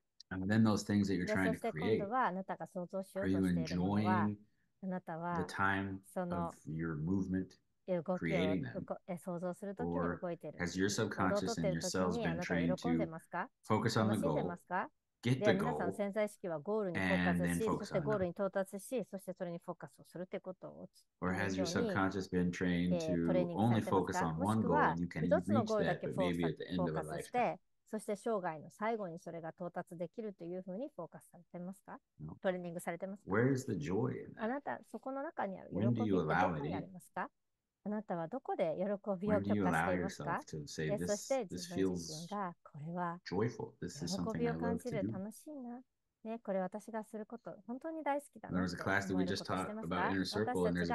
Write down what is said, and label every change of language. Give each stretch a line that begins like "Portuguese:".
English: And then those things that you're trying to create, are you enjoying the time of your movement creating them? Or has your subconscious and your cells been trained to focus on the goal? Get the goal,
Japanese: で皆さん潜在意識はゴールに到達し、そしてゴールに到達し、そしてそれにフォーカスをするということを。
English: Or has your subconscious been trained to only focus on one goal and you can reach that, but maybe at the end of a lifetime?
Japanese: そして生涯の最後にそれが到達できるというふうにフォーカスされてますか？トレーニングされてますか？
English: Where is the joy in that?
Japanese: あなたそこの中にある喜びってどこにありますか？あなたはどこで喜びを許可していますか？そして自分自身がこれは喜びを感じる楽しいな、ね、これ私がすること本当に大好きだなと思えることをしてますか？